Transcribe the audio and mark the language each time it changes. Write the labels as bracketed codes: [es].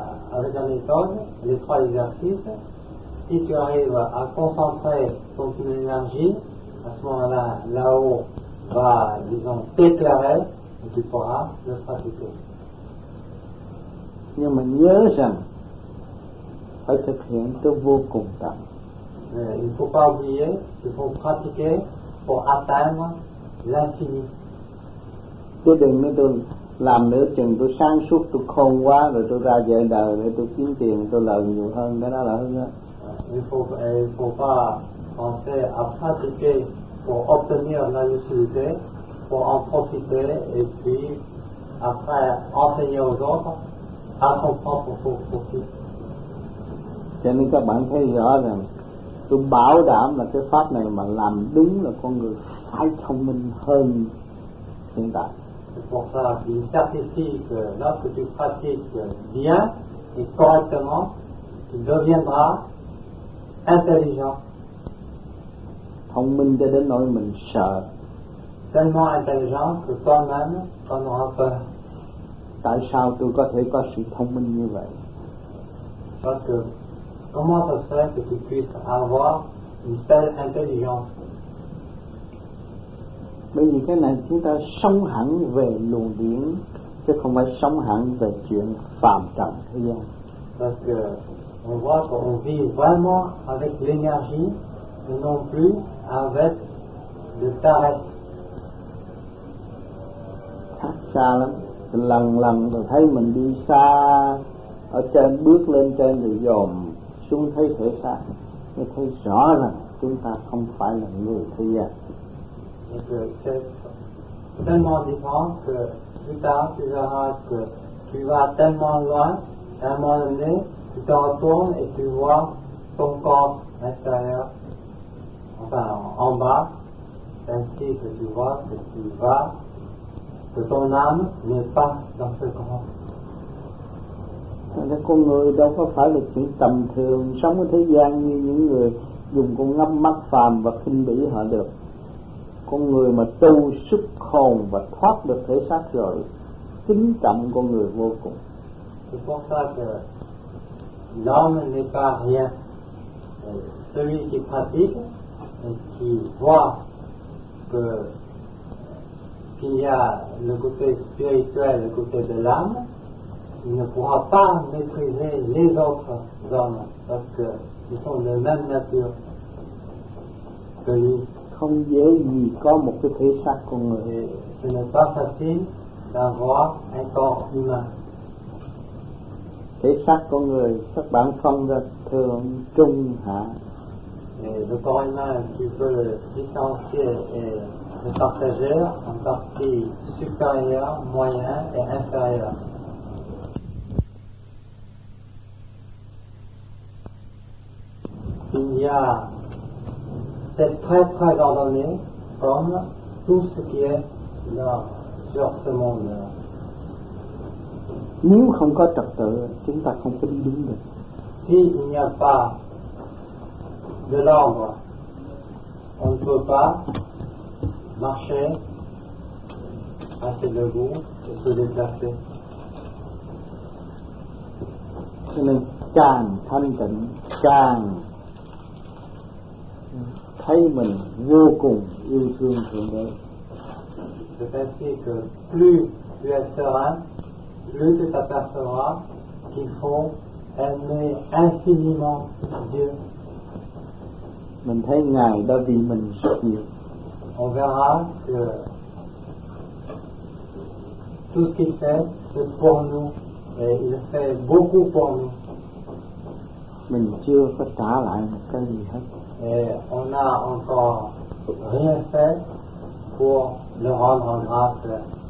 [fr] Avec la méthode, les trois exercices, si tu arrives à concentrer toute une énergie, à ce moment-là, là-haut va, disons, t'éclairer et tu pourras le pratiquer. [vi] Nhưng mà nhớ rằng phải thực hiện tôi vô cùng tâm. [fr] Il ne faut pas oublier qu'il faut pratiquer pour atteindre l'infini. [vi] Chứ đừng nói tôi làm nữa chừng tôi sáng suốt, tôi khôn quá rồi tôi ra về đời để tôi kiếm tiền, tôi lợi nhiều hơn, cái đó là hơn đó. [fr] Il faut pas penser à pratiquer pour obtenir la lucidité, pour en profiter et puis après enseigner aux autres à son propre profit. [vi] Cho nên các bạn thấy rõ rằng tôi bảo đảm là cái pháp này mà làm đúng là con người phải thông minh hơn hiện tại. [fr] C'est pour ça qu'il certifie que lorsque tu pratiques bien et correctement, tu deviendras intelligent. [vi] Thông minh cho đến nỗi mình sợ. [fr] Tellement intelligent que toi-même, tu en auras peur. [vi] Tại sao tôi có thể có sự thông minh như vậy? [fr] Parce que comment ça se fait que tu puisses avoir une telle intelligence? [vi] Bởi vì cái này chúng ta sống hẳn về luồng điển, chứ không phải sống hẳn về chuyện phàm trần thế gian. [fr] Parce que on voit qu'on vit vraiment avec l'énergie et non plus avec le terrestre. [vi] Khác xa lắm. Lần lần rồi thấy mình đi xa, ở trên bước lên trên rồi dòm xuống thấy thể xác, mới thấy rõ rằng chúng ta không phải là người thế gian. [fr] C'est tellement différent que plus tard tu verras que tu vas tellement loin, à un moment donné, tu te retournes et tu vois ton corps extérieur, enfin en bas, ainsi que tu vois que tu vas, que ton âme n'est pas dans ce corps. [vi] Nên con người đâu có phải là chuyện tầm thường, sống ở thế gian như những người dùng con ngắm mắt phàm và khinh bỉ họ được. Con người mà tu xuất hồn và thoát được thể xác rồi, kính trọng con người vô cùng. [fr] C'est pour ça que l'homme n'est pas rien. Celui qui pratique et qui voit que qu'il y a le côté spirituel, le côté de l'âme, il ne pourra pas maîtriser les autres hommes parce qu'ils sont de même nature que lui. [vi] Không dễ gì có một cái thể xác con người. [fr] Ce n'est pas facile d'avoir un corps humain. [vi] Thể xác con người các bạn phân ra thượng, trung, hạ. [fr] Le corps humain, tu peux le distancier et le partager en partie supérieure, moyen et inférieure. Il y a c'est très très ordonné comme tout ce qui est là sur ce monde. [vi] Nếu không có trật tự, chúng ta không có đi đúng được. [fr] Si il n'y a pas de l'ordre, on ne peut pas marcher, passer le bout et se déplacer. [vi] Cho nên càng thanh tịnh, càng thấy mình vô cùng yêu thương Thượng Đế. [fr] Je pense que plus tu es serein, plus tu t'apercevras qu'il faut aimer infiniment Dieu. [vi] Mình thấy Ngài đã vì mình rất nhiều. [fr] On verra que tout ce qu'il fait, c'est pour nous, et il fait beaucoup pour nous. [vi] Mình chưa có trả lại một cái gì hết. [fr] Et on n'a encore rien fait pour le rendre en grâce.